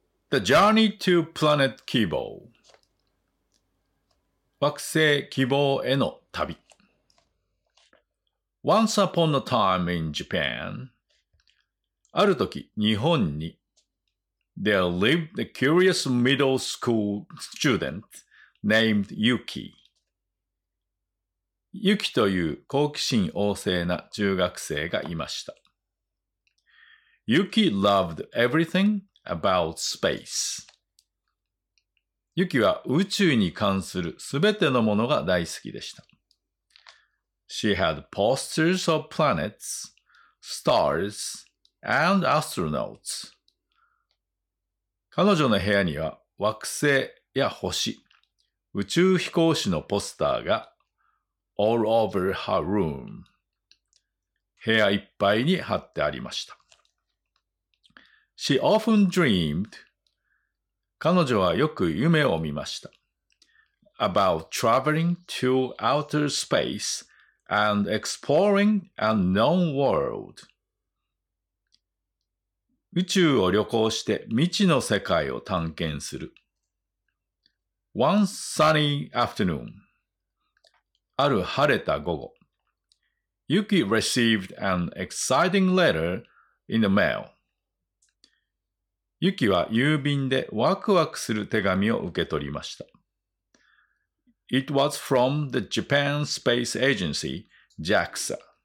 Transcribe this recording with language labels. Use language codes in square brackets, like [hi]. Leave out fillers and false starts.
[en] The Journey to Planet Kibo [ja] 惑星希望への旅 [en] Once upon a time in Japan [ja] ある時、日本に [en] There lived a curious middle school student named Yuki Yuki [ja] という好奇心旺盛な中学生がいました。 [en] Yuki loved everything about space. [ja] Yuki は宇宙に関するすべてのものが大好きでした。 [en] She had posters of planets, stars, and astronauts. [ja] 彼女の部屋には惑星や星、宇宙飛行士のポスターが [en] all over her room. [ja] 部屋いっぱいに貼ってありました。 [en] She often dreamed, [ja] 彼女はよく夢を見ました。 [en] About traveling to outer space and exploring a known world. [ja] 宇宙を旅行して未知の世界を探検する。 [en] One sunny afternoon, [ja] ある晴れた午後、 [en] Yuki received an exciting letter in the mail. [ja] ユキは郵便でワクワクする手紙を受け取りました。 [en] It was from the Japan Space Agency, JAXA.